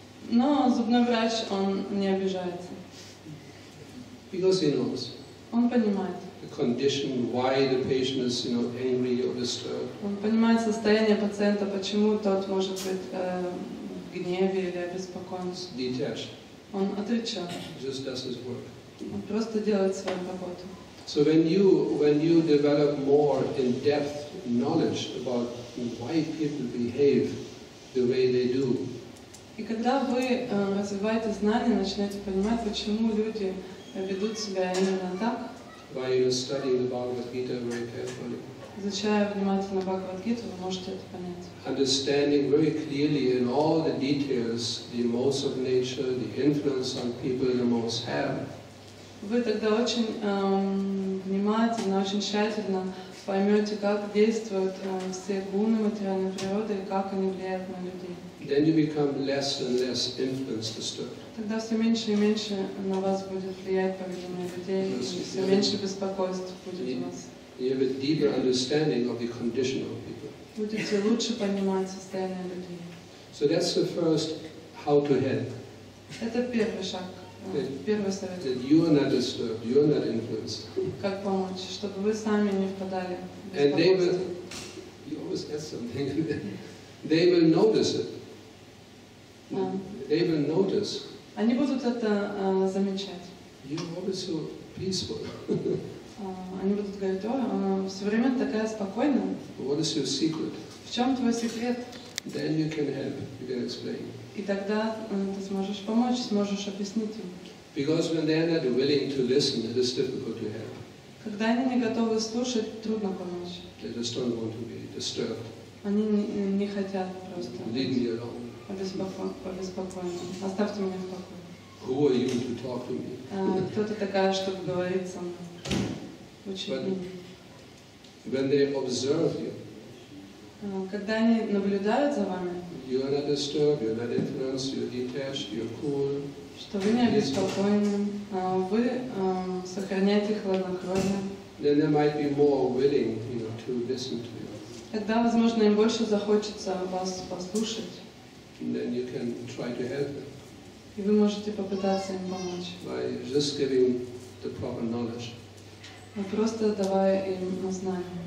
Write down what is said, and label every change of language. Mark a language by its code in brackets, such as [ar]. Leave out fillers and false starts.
[ru] Но зубной врач он не обижается. [en] Because he knows. [ru] Он понимает. [en] The condition why the patient is angry or disturbed. [ru] Он понимает состояние пациента, почему тот может быть в гневе или обеспокоен. [en] Detached. [ru] Он отвечает. [en] Just does his work. [ru] Он просто делает свою работу. [en] So when you develop more in-depth knowledge about why people behave the way they do. [ru] И когда вы развиваете знания, начинаете понимать, почему люди ведут себя именно так. [en] By studying the Bhagavad Gita very carefully. [ru] Изучая внимательно Бхагавад Гиту, вы можете это понять. [en] Understanding very clearly in all the details the modes of nature, the influence on people the modes have. [ru] Вы тогда очень внимательно, очень тщательно поймете, как действуют все гуны материальной природы и как они влияют на людей. [en] Then you become less and less influence disturbed. [ru] Тогда все меньше и меньше на вас будет влиять поведение людей, и все меньше беспокойств будет у вас. [en] You have a deeper understanding of the condition of people. [ru] Будете лучше понимать состояние людей. [en] So that's the first how to head. [ru] Это первый шаг. [en] That you are not disturbed, you are not influenced. [ru] Как помочь, чтобы вы сами не впадали в беспокойство? [en] And they will, you always add something. They will notice it. They will notice. [ru] Они будут это замечать. [en] You're always so peaceful. [ru] Они будут говорить: «О, все время такая спокойная». [en] What is your secret? [ru] В чем твой секрет? [en] Then you can help. You can explain. [ru] И тогда ты сможешь помочь, сможешь объяснить им. [en] Because when they are not willing to listen, it is difficult to help. [ru] Когда они не готовы слушать, трудно помочь. [en] They just don't want to be disturbed. [ru] Они не хотят просто. [en] Leave me alone. [ru] Побеспокойно. Оставьте меня в покое. [en] Who are you to talk to me? [ru] Кто ты такая, чтобы говорить со мной? Учитель. [en] When they observe you. [ru] Когда они наблюдают за вами. [en] You are not disturbed, you are not influenced, you are detached, you are cool. [ru] Что вы не обеспокоены, вы сохраняете хладнокровие. [en] Then they might be more willing, you know, to listen to you. [ru] Тогда, возможно, им больше захочется вас послушать. [en] And then you can try to help them. [ru] И вы можете попытаться им помочь. [en] By just giving the proper knowledge. [ru] Просто давая им знания.